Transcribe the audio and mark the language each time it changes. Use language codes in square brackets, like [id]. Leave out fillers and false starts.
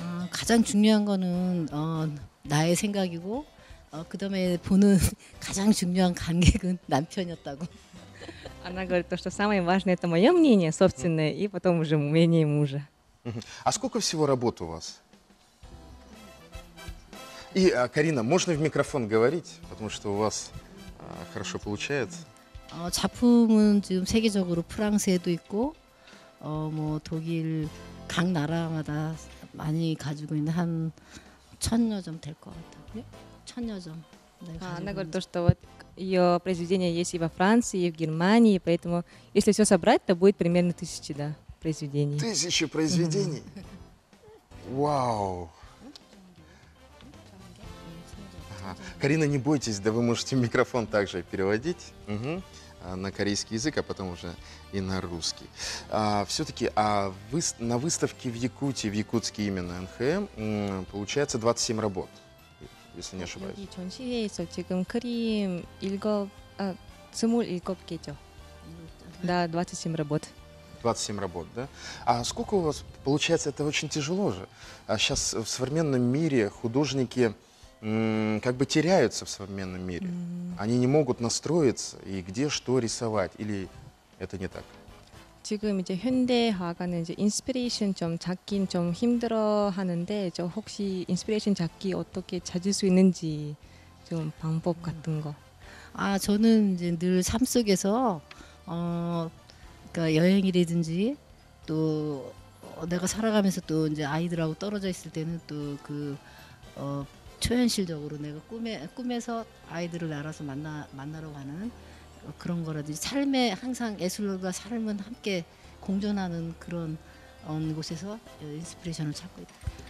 [ko] 가장 중요한 거는 나의 생각이고 그다음에 보는 가장 중요한 관객은 남편이었다고. [ru] Она говорит, что самое важное это моё мнение собственное и потом уже мнение мужа. А сколько всего работ у вас? И, Карина, можно в микрофон говорить, потому что у вас хорошо получается. [ko] 작품은 지금 세계적으로 프랑스에도 있고 뭐 독일 각 나라마다 많이 가지고 있는 한 천여 점 될 것 같아요. 천여 점. [ru] 네, она говорит, что вот ее произведения есть и во Франции, и в Германии, поэтому если все собрать, то будет примерно 1000, да, произведений. 1000 произведений? Вау! Карина, не бойтесь, да вы можете микрофон также переводить на корейский язык, а потом уже и на русский. На выставке в Якутии, в Якутске именно НХМ, получается 27 работ, если не ошибаюсь. [ko] 여기 전시회에서 지금 그림 27 개죠. [ru] Да, 27 работ. 27 работ, да? А сколько у вас, получается, это очень тяжело же. А сейчас в современном мире художники... как бы теряются в современном мире. Они не могут настроиться и где что рисовать, или это не так? [ko] 지금 이제 현대 화가는 이제 인스피레이션 좀 찾긴 좀 힘들어 하는데 저 혹시 인스피레이션 찾기 어떻게 찾을 수 있는지 좀 방법 같은 거. 아, 저는 이제 늘 삶 속에서 그러니까 여행이라든지 또 내가 살아가면서 또 이제 아이들하고 떨어져 있을 때는 또 그 초현실적으로 내가 꿈에서 아이들을 알아서 만나러 가는 그런 거라든지 삶에 항상 예술과 삶은 함께 공존하는 그런 곳에서 인스피레이션을 찾고 있다.